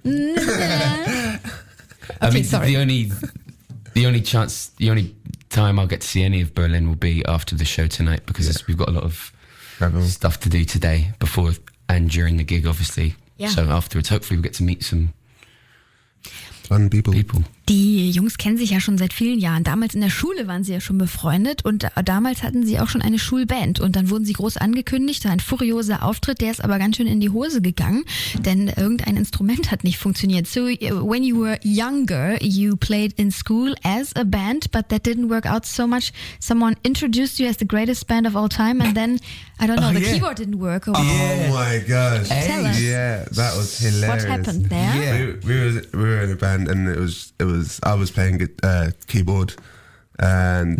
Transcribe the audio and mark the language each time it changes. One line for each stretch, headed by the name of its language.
English: okay, I mean, sorry. The only time I'll get to see any of Berlin will be after the show tonight because we've got a lot of stuff to do today before and during the gig, obviously. Yeah. So afterwards, hopefully we'll get to meet some... Fun people.
German: Die Jungs kennen sich ja schon seit vielen Jahren. Damals in der Schule waren sie ja schon befreundet und damals hatten sie auch schon eine Schulband und dann wurden sie groß angekündigt. Ein furioser Auftritt, der ist aber ganz schön in die Hose gegangen, denn irgendein Instrument hat nicht funktioniert.
English: So, when you were younger, you played in school as a band, but that didn't work out so much. Someone introduced you as the greatest band of all time and then, I don't know, keyboard didn't work. Oh, yeah. Oh my gosh. Hey. Tell us. Yeah, that was hilarious. What happened there? Yeah. We were in a band and I was playing keyboard and